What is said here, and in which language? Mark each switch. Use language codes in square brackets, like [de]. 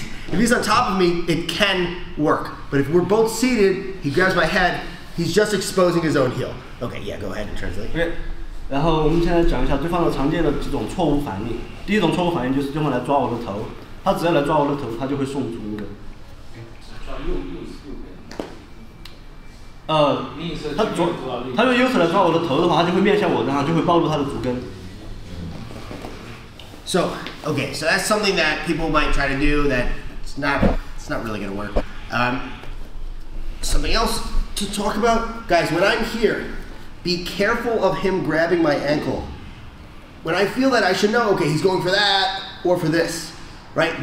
[en] If he's on top of me, it can work. But if we're both seated, he grabs my head, he's just exposing his own heel. Okay, yeah, go ahead and translate. Okay. [zh] 然后我们现在讲一下对方的常见的几种错误反应。第一种错误反应就是对方来抓我的头，他只要来抓我的头，他就会送足的。抓他用右手来抓我的头的话，他就会面向我，然后就会暴露他的足跟。 [en] So, okay, so that's something that people might try to do that it's not really gonna work. Something else to talk about, guys. When I'm here, be careful of him grabbing my ankle. When I feel that, I should know. Okay, he's going for that or for this, right?